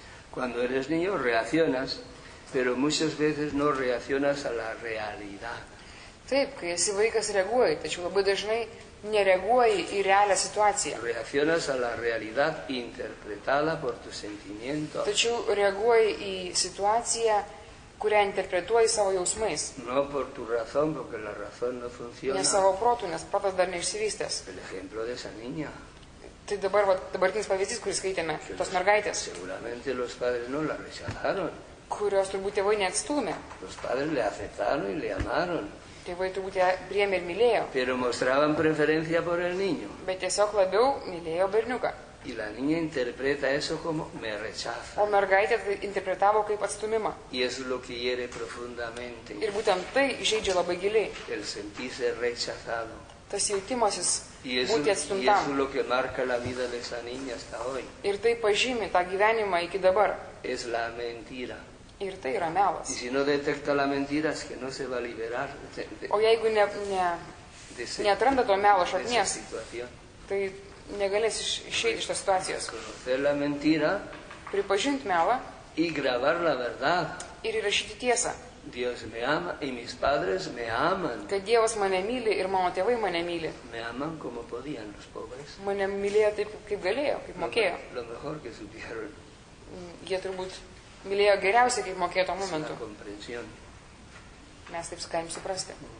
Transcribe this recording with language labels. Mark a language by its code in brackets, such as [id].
[es] Cuando eres niño reaccionas, pero muchas veces no reaccionas a la realidad. [lt] Taip, kai esi vaikas reaguoji, tačiau labai dažnai nereaguoji į realią situaciją. [es] Reaccionas a la realidad interpretada por tu sentimiento. [lt] Tačiau reaguoji į situaciją, kurią interpretuoji savo jausmais. [es] No por tu razón, porque la razón no funciona. [lt] Ne savo protu, nes protas dar neišsivystęs. [es] El ejemplo de esa niña. [lt] Tai dabar, va, dabartinis pavyzdys, kurį skaitėme, tos mergaitės. [es] Seguramente los padres no la rechazaron. [lt] Kurios turbūt tėvai neatstūmė. [es] Los padres le aceptaron y le amaron. [lt] Tėvai turbūt ją priėmė ir mylėjo. [es] Pero mostraban preferencia por el niño. [lt] Bet tiesiog labiau mylėjo berniuką. [es] Y la niña interpreta eso como me rechaza. [lt] O mergaitė tai interpretavo kaip atstumimą. [es] Y eso lo quiere profundamente. [lt] Ir būtent tai žeidžia labai giliai. [es] El sentirse rechazado. [lt] Tas jautimasis būti atstumtam. Ir tai pažymi tą gyvenimą iki dabar. [es] Es la mentira. [lt] Ir tai yra melas. [es] Y si no detecta la mentira, es que no se va a liberar. [lt] O jeigu neatranda to melo šaknies, tai negalės išeiti iš tos situacijos. [es] Conocer la mentira, [lt] pripažint melą [es] y grabar la verdad. [lt] Ir įrašyti tiesą. [es] Dios me ama y mis padres me aman. [lt] Kad Dievas mane myli ir mano tėvai mane myli. [es] Me aman como podían los pobres. [lt] Mane mylėjo taip, kaip galėjo, kaip mokėjo. [es] Lo mejor que supieron. [lt] Jie turbūt mylėjo geriausiai, kaip mokėjo tuo momentu. [es] Es la comprensión. [lt] Mes taip galim suprasti.